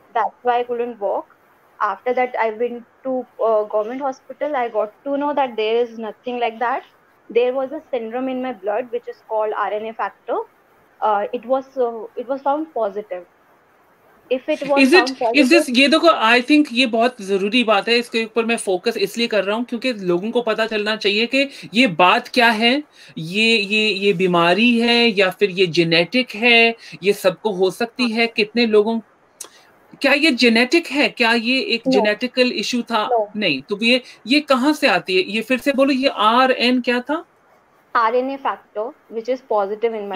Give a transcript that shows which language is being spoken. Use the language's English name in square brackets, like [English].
[English] That's why I couldn't walk. After that I went to government hospital. I got to know that there is nothing like that. There was a syndrome in my blood which is called RNA factor. It was found positive. If it was found positive, [Hindi] ये देखो, [English] I think [Hindi] ये बहुत जरूरी बात है. इसके ऊपर मैं फोकस इसलिए कर रहा हूँ क्योंकि लोगों को पता चलना चाहिए कि ये बात क्या है, ये बीमारी है या फिर ये जेनेटिक है, ये सबको हो सकती है, कितने लोगों, क्या ये जेनेटिक है, क्या ये एक [English] known [Hindi] जेनेटिकल इश्यू था? [English] no [Hindi] नहीं, तो ये कहाँ से आती है, ये फिर से बोलो, ये RN क्या था? [English] RNA factor which is positive in my